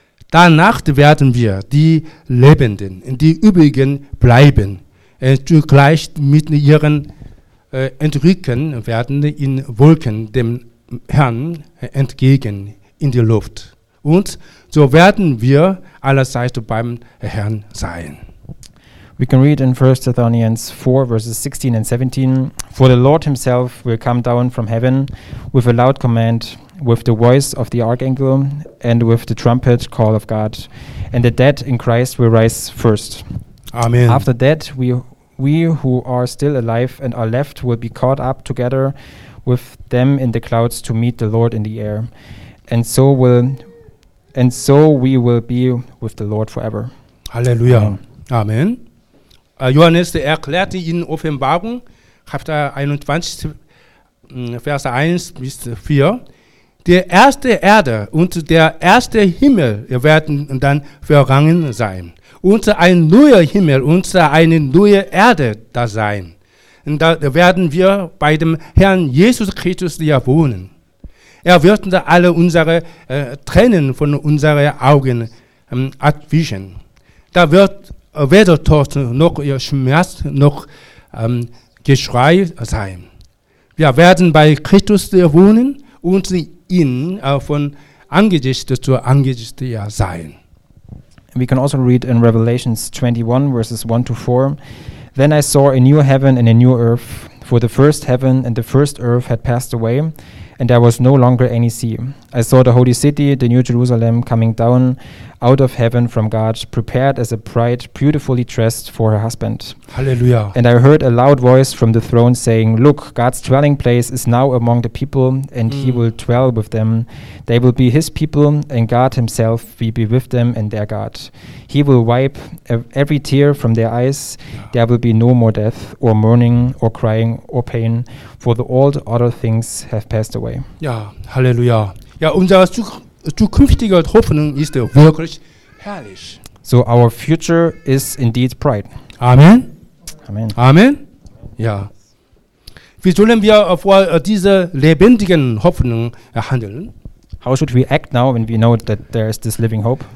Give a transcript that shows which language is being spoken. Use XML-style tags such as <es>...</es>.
<de>Danach werden wir, die Lebenden, die übrigen bleiben, zugleich mit ihren Entrücken werden in Wolken dem Herrn entgegen in die Luft. Und so werden wir allerseits beim Herrn sein.</de> <en>We can read in 1 Thessalonians 4, verses 16 and 17, for the Lord himself will come down from heaven with a loud command, with the voice of the archangel, and with the trumpet call of God, and the dead in Christ will rise first. Amen. After that, we who are still alive and are left will be caught up together with them in the clouds to meet the Lord in the air, and so we will be with the Lord forever. Halleluja. Amen.</en> <de>Johannes erklärte in Offenbarung, Kapitel 21, Vers 1 bis 4, die erste Erde und der erste Himmel werden dann vergangen sein. Und ein neuer Himmel und eine neue Erde da sein. Und da werden wir bei dem Herrn Jesus Christus ja wohnen. Er wird alle unsere Tränen von unseren Augen abwischen. Da wird weder Tod noch Schmerz noch Geschrei sein. Wir werden bei Christus wohnen und ihn von Angesicht zu Angesicht sein.</de> <en>We can also read in Revelations 21, verses 1 to 4. Then I saw a new heaven and a new earth, for the first heaven and the first earth had passed away, and there was no longer any sea. I saw the holy city, the new Jerusalem, coming down out of heaven from God, prepared as a bride, beautifully dressed for her husband. Hallelujah. And I heard a loud voice from the throne saying, look, God's dwelling place is now among the people, and he will dwell with them. They will be his people, and God himself will be with them and their God. He will wipe every tear from their eyes. Yeah. There will be no more death, or mourning, or crying, or pain, for the old other things have passed away.</en> <de>Ja, Halleluja. Ja, unser zukünftiger Hoffnung ist wirklich herrlich.</de> <en>So our future is indeed bright. Amen. Amen. Amen. Ja.</en> <de>Wie sollen wir vor dieser lebendigen Hoffnung handeln?</de> <en>How should we act now when we know that there is this living hope?</en>